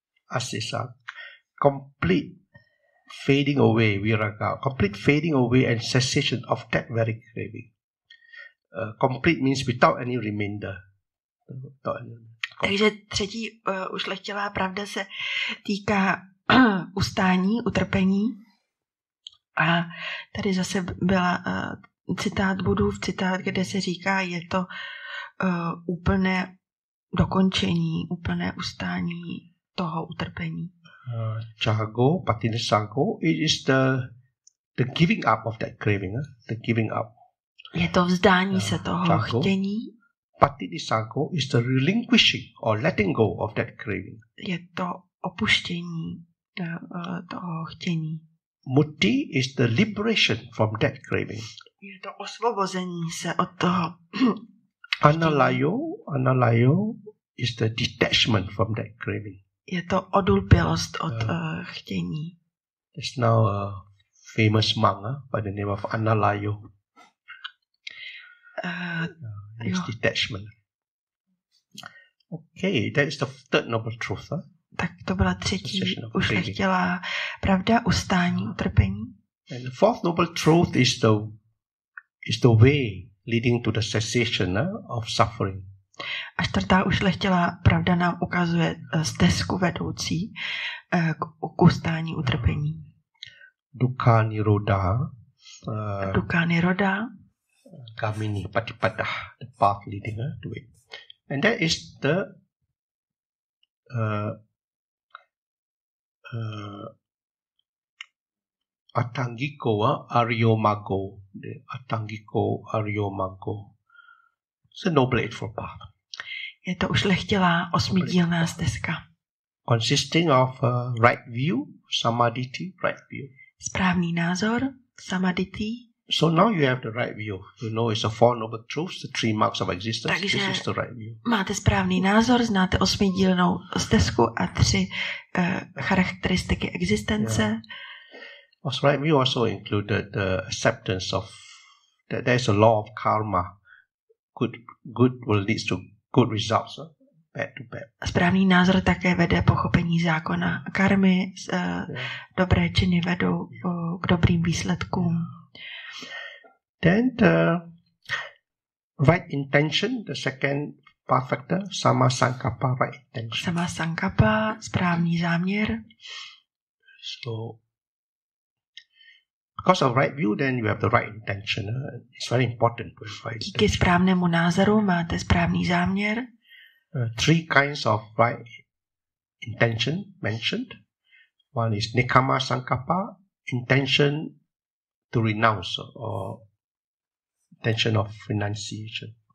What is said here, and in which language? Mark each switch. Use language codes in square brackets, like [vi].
[en] Asisa, complete fading away, viraga, complete fading away and cessation of that very craving. Complete means without any remainder. [cs] Takže třetí ušlechtilá pravda se týká ustání, utrpení. A tady zase byla citát Budův citát, kde se říká, je to úplné dokončení, úplné ustání toho utrpení. [en] Chago, patinesago, it is the giving up of that craving, the giving up. [cs] Je to vzdání se toho chago, chtění. [en] Patinesago is the relinquishing or letting go of that craving. [cs] Je to opuštění toho chtění. [en] Mutti is the liberation from that craving. [cs] Je to osvobození se od toho. [en] Analayo is the detachment from that craving. [cs] Je to odulpilost od chtění. [en] There's now a famous monk by the name of Analayo. Detachment. Okay, that is the third noble truth. [cs] Tak to byla třetí ušlechtilá pravda, ustání, utrpení. [en] And the fourth noble truth is the way leading to the cessation of suffering. [cs] A čtvrtá ušlechtilá pravda nám ukazuje stezku vedoucí k ustání utrpení. [pi] Dukkha niroda. Dukkha niroda. [en] Kamini patipada, the path leading to it. And that is the Atangiko Aryomago. [pi] Atangiko Aryomago. [en] It's a noble eightfold path. [cs] Je to ušlechtilá osmidílná stezka. [en] Consisting of right view, samadhiti, right view. [cs] Správný názor, samadhiti. [en] So now you have the right view. You know it's a four noble truths, the three marks of existence. Takže this is the right view. [cs] Máte správný názor, znáte osmidílnou stezku a tři charakteristiky existence. [en] Yeah. Also, right view also included the acceptance of that there is a law of karma. Good will lead to good results, bad to bad. [cs] Správný názor také vede pochopení zákona karmy. Yeah. Dobré činy vedou k dobrým výsledkům. [en] Yeah. Then the right intention, the second path factor, sama sankappa, right intention. [cs] Sama sankappa, správný záměr. [en] So, because of right view, then you have the right intention. It's very important. [cs] Díky správnému názoru máte správný záměr. [en] Three kinds of right intention mentioned. One is nikama sankappa, intention to renounce or intention of renunciation.